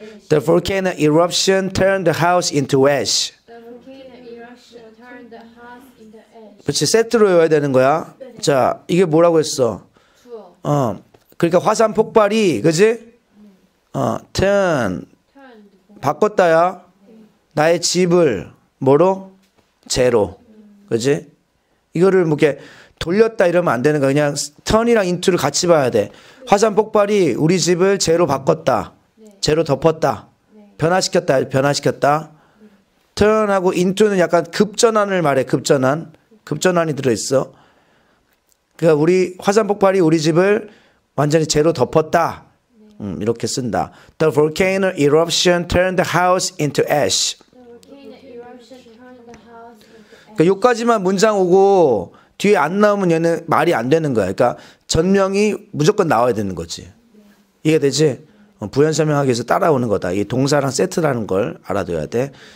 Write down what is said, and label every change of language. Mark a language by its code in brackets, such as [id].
[en] The volcano eruption turned the house into ash. The volcano eruption turned the house into ash. [ko] 그렇지. 세트로 외워야 되는 거야. 네. 자, 이게 뭐라고 했어? 주어. 어. 그러니까 화산 폭발이, 그지? 어, turn. 바꿨다야. 나의 집을 뭐로? 제로. 그지? 이거를 뭐 이렇게 돌렸다 이러면 안 되는 거야. 그냥 turn이랑 into를 같이 봐야 돼. 화산 폭발이 우리 집을 제로 바꿨다. 제로 덮었다. 변화시켰다. 변화시켰다. turn하고 into는 약간 급전환을 말해. 급전환. 급전환이 들어있어. 그러니까 우리 화산 폭발이 우리 집을 완전히 제로 덮었다. 이렇게 쓴다. [en] The volcano eruption turned the house into ash. The volcano eruption turned the house into ash. [ko] 그러니까 여기까지만 문장 오고 뒤에 안 나오면 얘는 말이 안 되는 거야. 그러니까 전명이 무조건 나와야 되는 거지. 이해되지? 부연 설명하기 위해서 따라오는 거다. 이 동사랑 세트라는 걸 알아둬야 돼.